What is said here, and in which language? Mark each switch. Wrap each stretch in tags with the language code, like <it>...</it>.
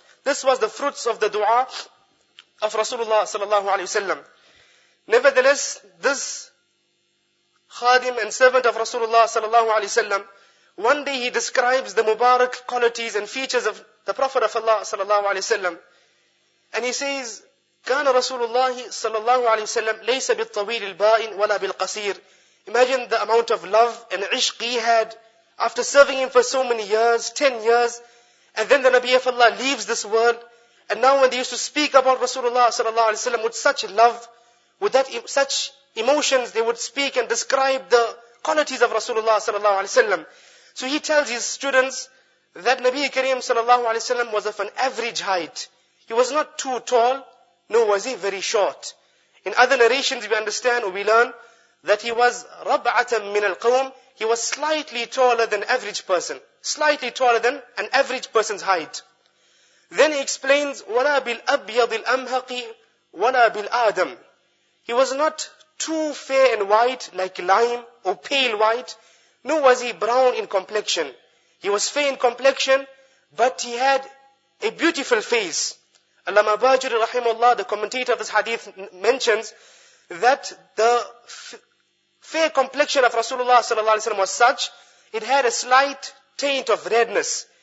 <en>This was the fruits of the dua of Rasulullah sallallahu alaihi wasallam. Nevertheless, this khadim and servant of Rasulullah sallallahu alaihi wasallam, one day he describes the mubarak qualities and features of the Prophet of Allah sallallahu alaihi wasallam. And he says,</en> <ar>كان رسول الله صلى الله عليه وسلم ليس بالطويل البائن ولا بالقصير.</ar> <en>Imagine the amount of love and عشق he had after serving him for so many years, 10 years. And then the Nabi of Allah leaves this world. And now when they used to speak about Rasulullah sallallahu alayhi wa sallam with such love, with that such emotions, they would speak and describe the qualities of Rasulullah sallallahu alayhi wa sallam. So he tells his students that Nabi Kareem sallallahu alayhi wa sallam was of an average height. He was not too tall, nor was he very short. In other narrations we understand, or we learn, that he was</en> <ar>rab'atan min al-qawm.</ar> <en>He was slightly taller than average person. Slightly taller than an average person's height. Then he explains,</en> <ar>وَلَا بِالْأَبْيَضِ الْأَمْهَقِ وَلَا بِالْآدَمِ.</ar> <en>He was not too fair and white like lime or pale white, nor was he brown in complexion. He was fair in complexion, but he had a beautiful face. Allama Bajuri rahimahullah, the commentator of this hadith, mentions that the fair complexion of Rasulullah sallallahu alaihi wasallam was such, it had a slight taint of redness.</en>